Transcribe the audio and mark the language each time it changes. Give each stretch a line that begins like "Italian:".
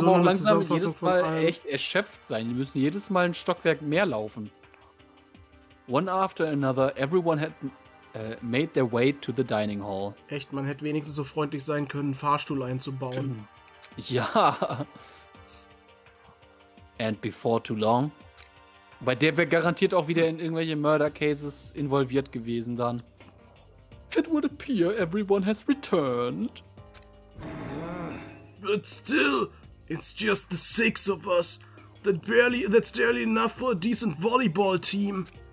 German: aber auch langsam jedes Mal echt erschöpft sein. Die müssen jedes Mal ein Stockwerk mehr laufen.
English: One after another, everyone had made their way to the dining hall.
German: Echt, man hätte wenigstens so freundlich sein können, einen Fahrstuhl einzubauen. Ja.
English: And before too long.
German: Bei der wäre garantiert auch wieder in irgendwelche
English: Murder Cases
German: involviert gewesen dann.
English: It would appear everyone has returned. But still, it's just the six of us. That's barely enough for a decent volleyball team.